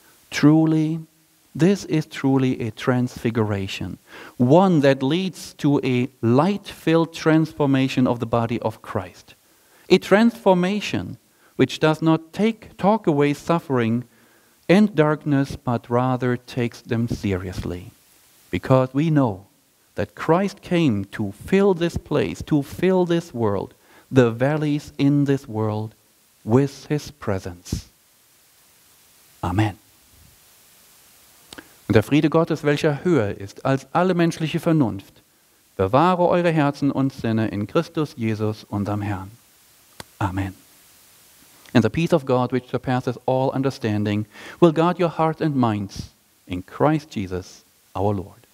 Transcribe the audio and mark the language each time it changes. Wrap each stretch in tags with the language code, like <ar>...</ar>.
<en>Truly, this is truly a transfiguration, one that leads to a light-filled transformation of the body of Christ, a transformation which does not talk away suffering and darkness, but rather takes them seriously. Because we know that Christ came to fill this place, to fill this world, the valleys in this world, with his presence. Amen.</en> <de>Und der Friede Gottes, welcher höher ist als alle menschliche Vernunft, bewahre eure Herzen und Sinne in Christus Jesus, unserem Herrn. Amen.</de> <en>And the peace of God, which surpasses all understanding, will guard your hearts and minds in Christ Jesus, our Lord.</en>